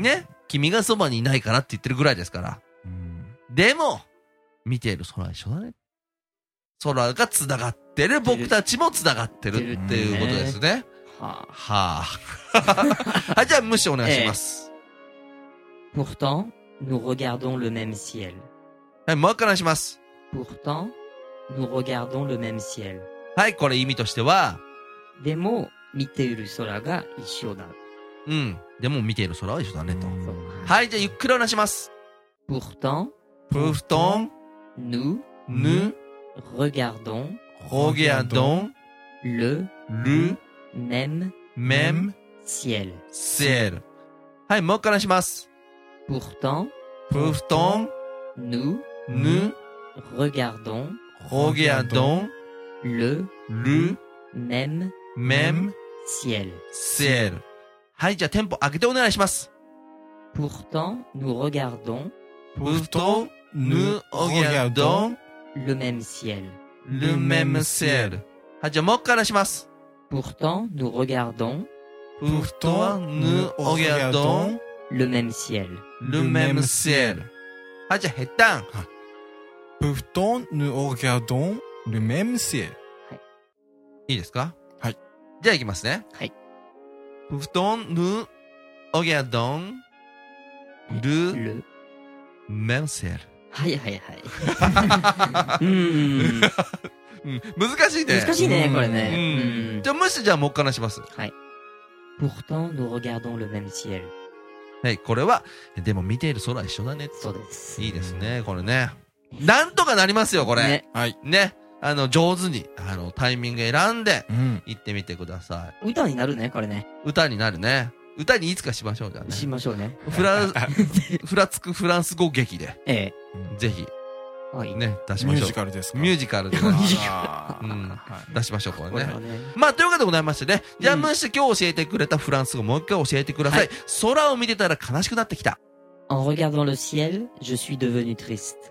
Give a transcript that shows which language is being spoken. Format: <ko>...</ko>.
<ja>ね。君がそばにいないからって言ってるぐらいですから。でも、見ている空は一緒だね。空が繋がってる。僕たちも繋がってるっていうことですね。はあ、はあ、じゃあ無視お願いします。</ja> <fr>Pourtant, nous regardons le même ciel.</fr> <ja>はい、もう一回話します。</ja> <fr>Pourtant, nous regardons le même ciel.</fr> <ja>はい、これ意味としては。でも、見ている空が一緒だ。うん、でも見ている空は一緒だねと。そう、はい、じゃあゆっくりお願いします。</ja> <fr>Pourtant, Pourtant, nous, nous, regardons, regardons, le, le, même, même, ciel, ciel. はい、もう一回話します。 Pourtant, pourtant, nous, nous, regardons, regardons, le, même, même, ciel, ciel. はい、じゃあテンポ上げてお願いします。 Pourtant, nous regardons, pourtant, nous regardons, le même ciel, le même ciel. はい、じゃあもう一回話します。 Pourtant, nous regardons. Pourtant, nous regardons. Le même ciel. Le même ciel. Ah, déjà, éteint. Pourtant, nous regardons le même ciel.</fr> <ja>いいですか？はい。じゃあ行きますね。はい。 Pourtant, nous regardons le même ciel. はいはいはい。うん、難しいね。難しいね、これね。うん、じゃあ、もし、じゃあ、もう一回話します。はい。</ja> <fr>Pourtant, nous regardons le même ciel。</fr> <ja>はい、これは、でも見ている空は一緒だね。そうです。いいですね、これね。なんとかなりますよ、これ。ね。はい。ね。上手に、タイミング選んで、行ってみてください、うん。歌になるね、これね。歌になるね。歌にいつかしましょう、じゃあね。しましょうね。ふらつくフランス語劇で。ええ。ぜひ、はい、ね、出しましょう。ミュージカルですか。ミュージカルです。ミュージカル。うん、出しましょう、これ ね。まあ、ということでございましてね。じゃあ、虫、今日教えてくれたフランス語、もう一回教えてください。はい、空を見てたら悲しくなってきた。</ja> <fr>En regardant le ciel, je suis devenu triste.</fr>